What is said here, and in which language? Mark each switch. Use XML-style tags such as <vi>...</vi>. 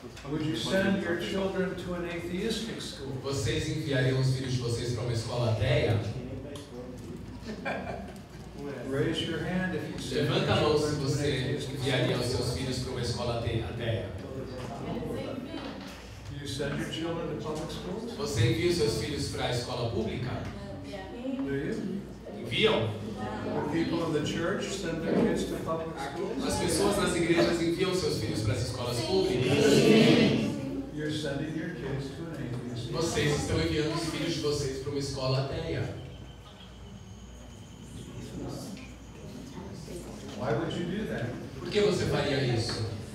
<en>Would you send your children to an atheistic school?</en> <pt>Vocês enviariam os filhos de vocês para uma escola ateia?</pt> <en>Raise your hand if you send.</en> <pt>Levanta a mão se você enviaria os seus filhos para uma escola ateia.</pt> <en>You send your children to public schools?</en> <pt>Você envia os seus filhos para a escola pública?</pt> <en>Do you?</en> <pt>Enviam.</pt> <en>The people in the church send their kids to public schools?</en> <pt>As pessoas nas igrejas enviam seus filhos para as escolas públicas.</pt> <en>You're sending your kids to an atheist.</en> <pt>Vocês estão enviando os filhos de vocês para uma escola ateia.</pt> <en>Why would you do that?</en> <pt>Por que você faria isso?</pt>